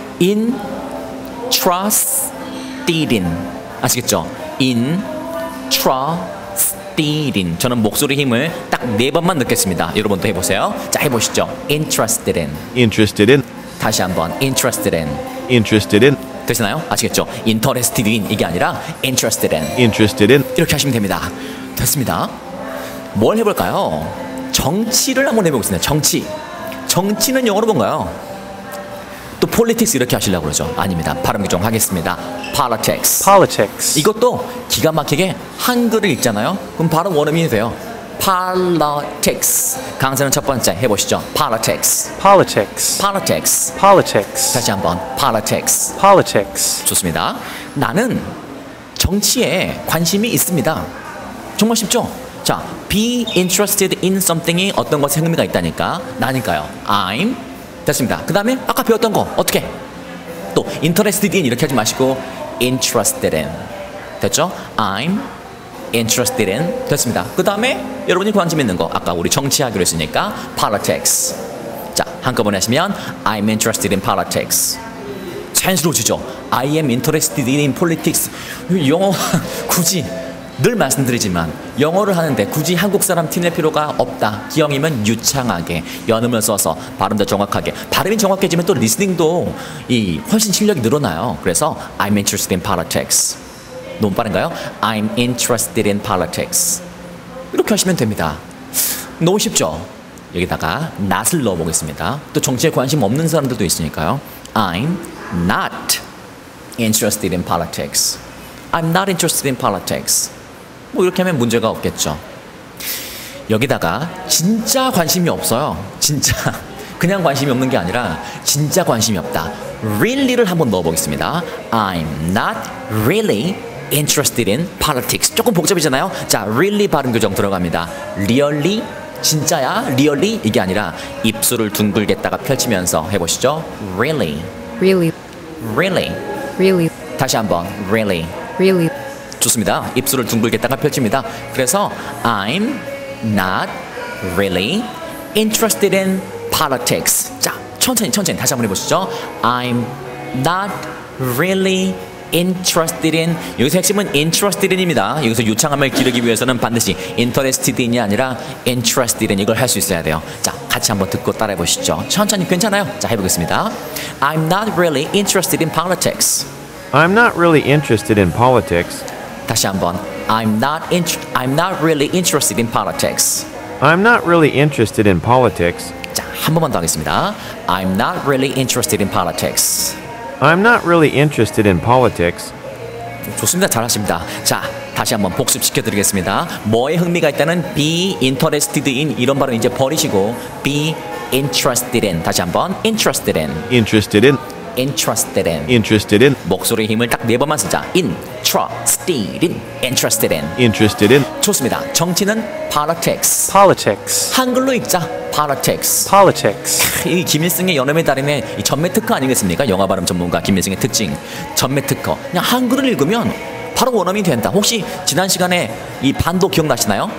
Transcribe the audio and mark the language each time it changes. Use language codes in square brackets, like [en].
[ko] in, tra, 띠린 아시겠죠? in, tra, 띠린. 저는 목소리 힘을 딱 네 번만 넣겠습니다. 여러분도 해보세요. 자 해보시죠. [en] interested in. interested in. [ko] 다시 한번 [en] interested in. interested in. [ko] 되시나요? 아시겠죠? [en] interested in [ko] 이게 아니라 interested in. [en] interested in. [ko] 이렇게 하시면 됩니다. 됐습니다. 뭘 해볼까요? 정치를 한번 해보겠습니다. 정치. 정치는 영어로 뭔가요? 또 politics 이렇게 하시려고 그러죠. 아닙니다. 발음 좀 하겠습니다. Politics. [en] Politics. [ko] 이것도 기가 막히게 한글을 읽잖아요. 그럼 발음 원어민이 돼요. [en] Politics. [ko] 강세는 첫 번째 해보시죠. [en] Politics. Politics. Politics. Politics. [ko] 다시 한번. Politics. [en] Politics. [ko] 좋습니다. 나는 정치에 관심이 있습니다. 정말 쉽죠? 자, [en] be interested in something [ko] 이 어떤 것에 흥미가 있다니까. 나니까요. I'm. 됐습니다. 그 다음에 아까 배웠던 거 어떻게? 또 [en] interested in [ko] 이렇게 하지 마시고 interested in 됐죠? [en] I'm interested in [ko] 됐습니다. 그 다음에 여러분이 관심 있는 거 아까 우리 정치하기로 했으니까 politics 자 한꺼번에 하시면 [en] I'm interested in politics [ko] 자연스러워지죠? [en] I am interested in politics [ko] 영어 굳이 늘 말씀드리지만 영어를 하는데 굳이 한국 사람 티낼 필요가 없다. 기왕이면 유창하게 연음을 써서 발음도 정확하게 발음이 정확해지면 또 리스닝도 이 훨씬 실력이 늘어나요. 그래서 [en] I'm interested in politics. [ko] 너무 빠른가요? [en] I'm interested in politics. [ko] 이렇게 하시면 됩니다. 너무 쉽죠? 여기다가 not을 넣어보겠습니다. 또 정치에 관심 없는 사람들도 있으니까요. [en] I'm not interested in politics. I'm not interested in politics. [ko] 뭐 이렇게 하면 문제가 없겠죠. 여기다가 진짜 관심이 없어요. 진짜 그냥 관심이 없는 게 아니라 진짜 관심이 없다. Really를 한번 넣어보겠습니다. [en] I'm not really interested in politics. [ko] 조금 복잡이잖아요. 자, really 발음 교정 들어갑니다. [en] Really? [ko] 진짜야? [en] Really? [ko] 이게 아니라 입술을 둥글게다가 펼치면서 해보시죠. [en] Really. Really. Really. Really. [ko] 다시 한번. Really. [en] Really. [ko] 좋습니다. 입술을 둥글게다가 펼칩니다. 그래서 [en] I'm not really interested in politics. [ko] 자, 천천히 천천히 다시 한번 해보시죠. [en] I'm not really interested in [ko] 여기서 핵심은 [en] interested in입니다. [ko] 여기서 유창함을 기르기 위해서는 반드시 [en] interested in [ko] 이 아니라 interested in 이걸 할 수 있어야 돼요. 자, 같이 한번 듣고 따라해보시죠. 천천히 괜찮아요. 자, 해보겠습니다. [en] I'm not really interested in politics. I'm not really interested in politics. [ko] 다시 한번. [en] I'm not really interested in politics. I'm not really interested in politics. [ko] 자, 한 번만 더 하겠습니다. [en] I'm not really interested in politics. I'm not really interested in politics. [ko] 좋습니다. 잘하십니다. 자, 다시 한번 복습시켜 드리겠습니다. 뭐에 흥미가 있다는 [en] be interested in [ko] 이런 발음 이제 버리시고 be interested in 다시 한번 interested in. [en] Interested in. Interested in. Interested in. [ko] 목소리 힘을 딱 네 번만 쓰자. [en] In, tra, stead in, interested in. Interested in. [ko] 좋습니다. 정치는 politics. [en] Politics. [ko] 한글로 읽자. Politics. [en] Politics. [ko] 이 김일승의 연예 매달인의 전매특허 아니겠습니까? 영화 발음 전문가 김일승의 특징. 전매특허. 그냥 한글을 읽으면 바로 원어민이 된다. 혹시 지난 시간에 이 반도 기억나시나요?